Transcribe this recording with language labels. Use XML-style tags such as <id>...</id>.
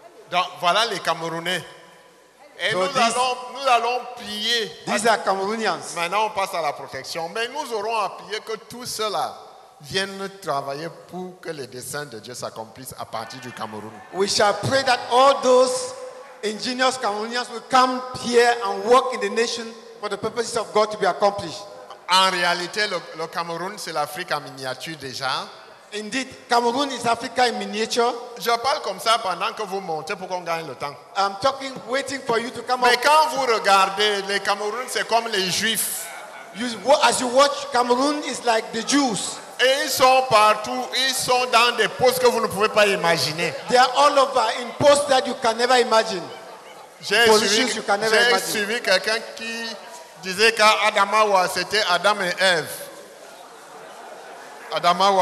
<fr>Donc, voilà les Camerounais. Et so nous allons prier.</fr> <en>These are Cameroonians.</en> <fr>Maintenant, on passe à la protection. Mais nous aurons à prier que tout cela vienne travailler pour que les desseins de Dieu s'accomplissent à partir du Cameroun.</fr> <en>We shall pray that all those ingenious Cameroonians will come here and work in the nation for the purposes of God to be accomplished.</en> <fr>En réalité, le Cameroun, c'est l'Afrique en miniature déjà.</fr> <en>Indeed, Cameroon is Africa in miniature.</en> <fr>Je parle comme ça pendant que vous montez pour qu'on gagne le temps.</fr> <en>I'm talking, waiting for you to come.</en> <fr>Mais quand vous regardez les Cameroun, c'est comme les Juifs.</fr> <en>As you watch, Cameroon is like the Jews.</en> <fr>Et ils sont partout. Ils sont dans des postes que vous ne pouvez pas imaginer.</fr> <en>They are all over in posts that you can never imagine.</en> <fr>J'ai suivi quelqu'un qui disait qu'Adamawa c'était Adam et Ève. Adamawa.</fr>